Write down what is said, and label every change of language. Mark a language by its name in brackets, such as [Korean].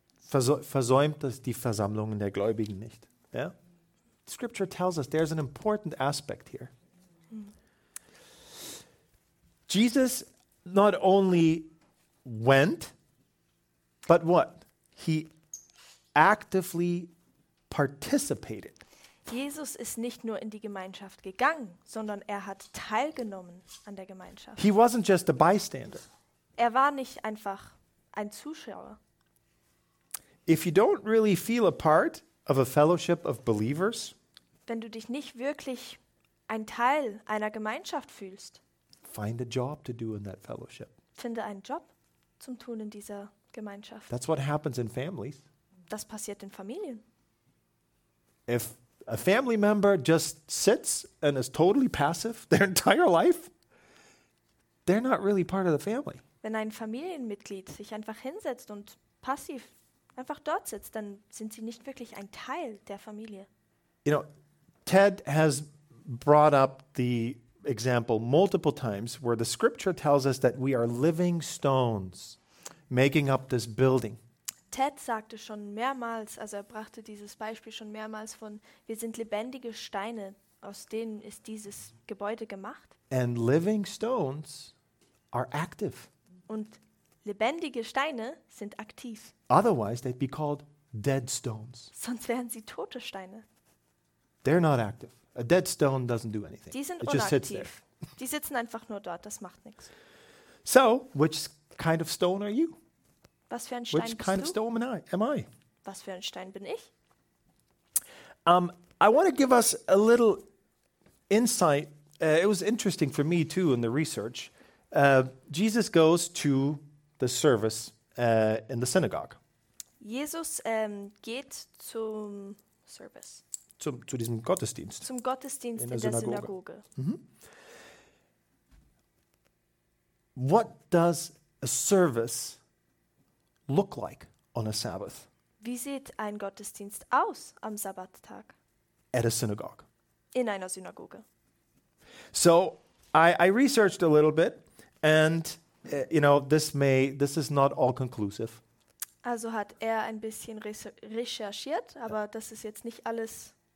[German] Versäumt das die Versammlungen der Gläubigen nicht. [English] Yeah? Scripture tells us there's an important aspect here. Jesus not only went, but what? He actively participated. [German] Jesus ist nicht nur in die Gemeinschaft gegangen, sondern er hat teilgenommen an der Gemeinschaft. [English] He wasn't just a bystander. [German] Er war nicht einfach ein Zuschauer. [English] If you don't really feel a part of a fellowship of believers, [German] wenn du dich nicht wirklich ein Teil einer Gemeinschaft fühlst, [English] find a job to do in that fellowship. [German] Finde einen Job zum Tun in dieser Gemeinschaft. [English] That's what happens in families. [German] Das passiert in Familien. [English] If a family member just sits and is totally passive their entire life, they're not really part of the family. [German] Wenn ein Familienmitglied sich einfach hinsetzt und passiv einfach dort sitzt, dann sind sie nicht wirklich ein Teil der Familie. [English] You know, Ted has brought up the example multiple times where the scripture tells us that we are living stones making up this building. [German] Ted sagte schon mehrmals, also er brachte dieses Beispiel schon mehrmals von, wir sind lebendige Steine, aus denen ist dieses Gebäude gemacht. [English] And living stones are active. [German] Und lebendige Steine sind aktiv. [English] Otherwise they'd be called dead stones. [German] Sonst wären sie tote Steine. [English] They're not active. A dead stone doesn't do anything. [German] Die sind it unaktiv. [English] Just sits there. [German] Die sitzen einfach nur dort, das macht nichts. [English] So, which kind of stone are you? [German] Was für ein Stein [English] Which [German] bist [English] kind [German] du? [English] Of stone am I? [German] Was für ein Stein bin ich? [English] I want to give us a little insight. It was interesting for me too in the research. Jesus goes to the service in the synagogue. [German] Jesus geht zum Service. Zu diesem Gottesdienst. Zum Gottesdienst in der Synagoge. Mm-hmm. [English] What does a service look like on a Sabbath? [German] Wie sieht ein Gottesdienst aus am Sabbattag? [English] At a synagogue. [German] In einer Synagoge. [English] So I researched a little bit, and you know, this is not all conclusive. [German] Also hat ein bisschen recherchiert, aber das ist jetzt nicht alles.